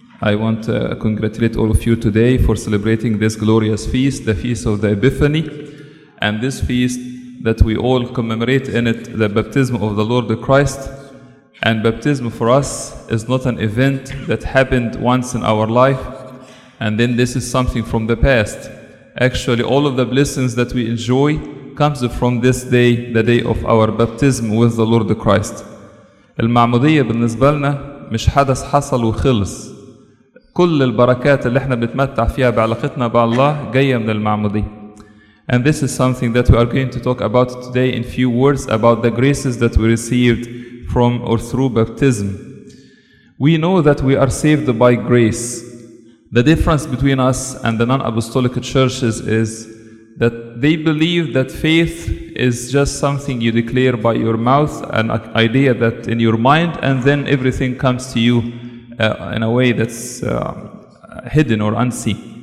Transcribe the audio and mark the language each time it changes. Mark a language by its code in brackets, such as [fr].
[en] I want to congratulate all of you today for celebrating this glorious feast, the Feast of the Epiphany, and this feast that we all commemorate in it, the baptism of the Lord Christ. And baptism for us is not an event that happened once in our life, and then this is something from the past. Actually, all of the blessings that we enjoy comes from this day, the day of our baptism with the Lord Christ. [ar] المعمودية بالنسبة لنا مش حدث حصل وخلص. كل البركات اللي احنا بنتمتع فيها بعلاقتنا بالله جاية من المعمودية. [en] And this is something that we are going to talk about today in few words about the graces that we received from or through baptism. We know that we are saved by grace. The difference between us and the non-apostolic churches is that they believe that faith is just something you declare by your mouth, an idea that in your mind, and then everything comes to you in a way that's hidden or unseen.